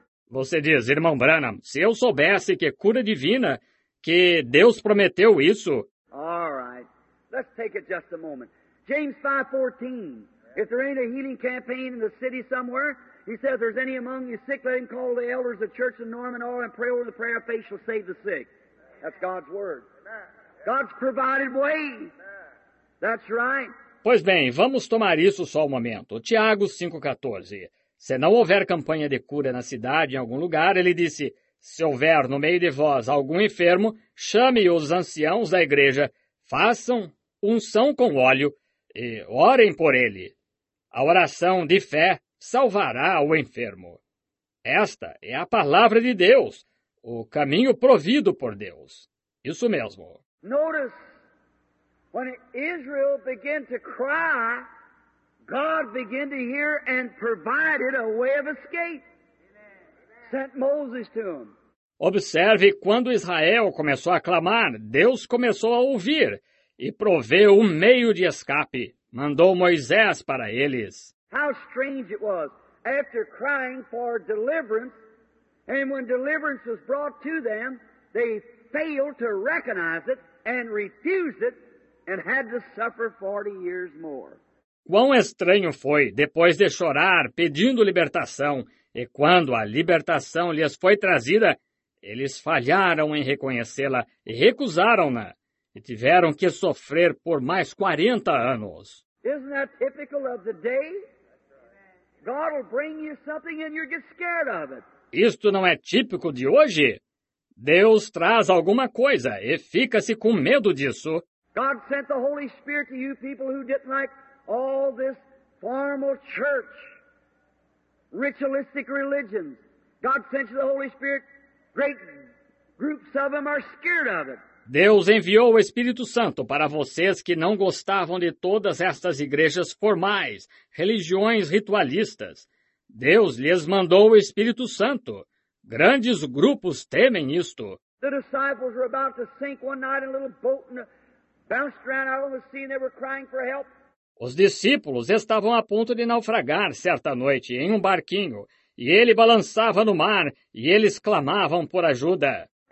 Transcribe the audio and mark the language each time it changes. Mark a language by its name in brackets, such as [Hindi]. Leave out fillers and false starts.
[Portuguese] Você diz, irmão Branham, se eu soubesse que cura divina, que Deus prometeu isso... [English] All right. Let's take it just a moment. James 5:14. If there ain't a healing campaign in the city somewhere... He says, there's any among you sick, let him call the elders of the church of Norman all and pray over the prayer of faith shall save the sick. That's God's word. God's provided way. That's right. [Portuguese] Pois bem, vamos tomar isso só um momento. Tiago 5:14. Se não houver campanha de cura na cidade, em algum lugar, ele disse, se houver no meio de vós algum enfermo, chame os anciãos da igreja, façam unção com óleo e orem por ele. A oração de fé salvará o enfermo. Esta é a palavra de Deus, o caminho provido por Deus. Isso mesmo. [English] Notice, when Israel began to cry, God began to hear and provided a way of escape. Sent Moses to him. [Portuguese] Observe, quando Israel começou a clamar, Deus começou a ouvir e proveu um meio de escape. Mandou Moisés para eles. [English] How strange it was, after crying for deliverance, and when deliverance was brought to them, they failed to recognize it and refused it and had to suffer 40 years more. [Portuguese] Quão estranho foi, depois de chorar, pedindo libertação, e quando a libertação lhes foi trazida, eles falharam em reconhecê-la e recusaram-na, e tiveram que sofrer por mais 40 anos. [English] Isn't that typical of the day? God will bring you something and you'll get scared of it. [Portuguese] Isto não é típico de hoje? Deus traz alguma coisa e fica-se com medo disso. [English] God sent the Holy Spirit to you people who didn't like all this formal church, ritualistic religions. God sent you the Holy Spirit. Great groups of them are scared of it. [Portuguese] Deus enviou o Espírito Santo para vocês que não gostavam de todas estas igrejas formais, religiões ritualistas. Deus lhes mandou o Espírito Santo. Grandes grupos temem isto. [English] The disciples were about to sink one night in a little boat and bounced around out on the sea and they were crying for help. [Portuguese] Os discípulos estavam a ponto de naufragar certa noite em um barquinho, e ele balançava no mar, e eles clamavam por ajuda.